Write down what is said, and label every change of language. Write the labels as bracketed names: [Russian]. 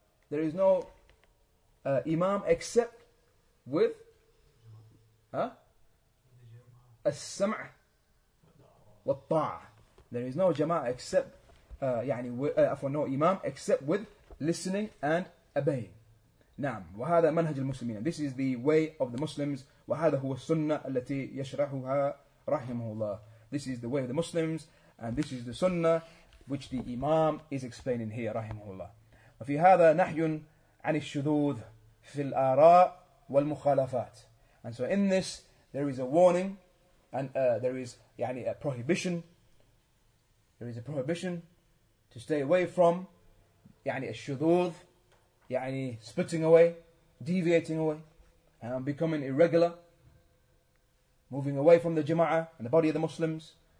[English] There is no imam except with [Arabic] السَّمْعَ وَالطَّاعَ. [English] There is no jama'ah except no imam except with listening and obey. نعم. [Arabic] وهذا منهج المسلمين. [English] This is the way of the Muslims. [Arabic] وهذا هو السنة التي يشرحها رحمه الله. [English] This is the way of the Muslims, and this is the sunnah which the Imam is explaining here, رحمه الله. [Arabic] وفي هذا نحي عن الشذوذ في الآراء والمخالفات. [English] And so in this there is a warning, and there is يعني a prohibition. There is a prohibition to stay away from يعني الشذوذ. يعني spitting away, deviating away, and becoming irregular, moving away from the jama'ah and the body of the Muslims,